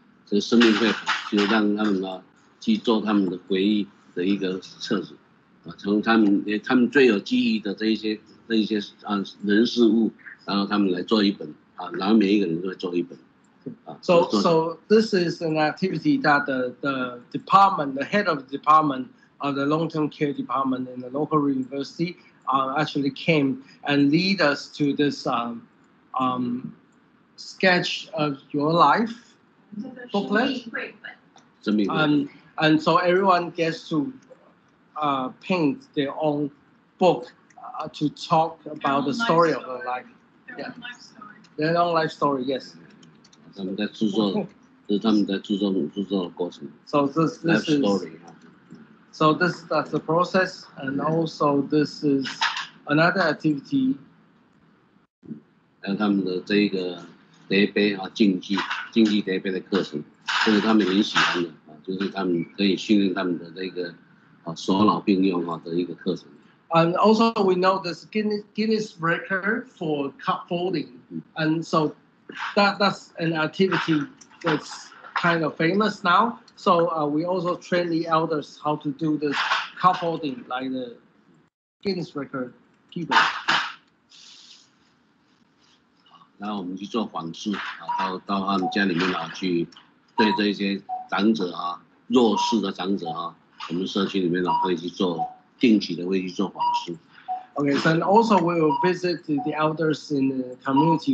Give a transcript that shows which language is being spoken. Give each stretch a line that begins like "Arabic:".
English: This life book,
Chinese: 就让他们啊去做他们的回忆的一个册子，啊，从他们最有记忆的这一些啊人事物，然后他们来做一本啊，然后每一个人都会做一本。
English: So this is an activity that the department, the head of the department. The long-term care department in the local university actually came and lead us to this sketch of your life booklet. And so everyone gets to paint their own book to talk about the story of their life. Their own life story. Their own life story, yes.
Chinese: 是他们在制作的过程。
English: So this is... So this is the process, and also this is another activity.
Chinese: And 他们的这一个叠杯啊，竞技叠杯的课程，这是他们很喜欢的啊，就是他们可以训练他们的这个啊手脑并用啊的一个课程。
English: And also we know this Guinness record for cup folding, and so that's an activity that's kind of famous now. So we also train the elders how to do this cup holding, like the Guinness record keeper.
Chinese: 然后我们去做访视啊，到他们家里面啊，去对这些长者啊，弱势的长者啊，我们社区里面呢、啊、会去做定期的会去做访视。
English: Okay, then also we will visit the elders in the community.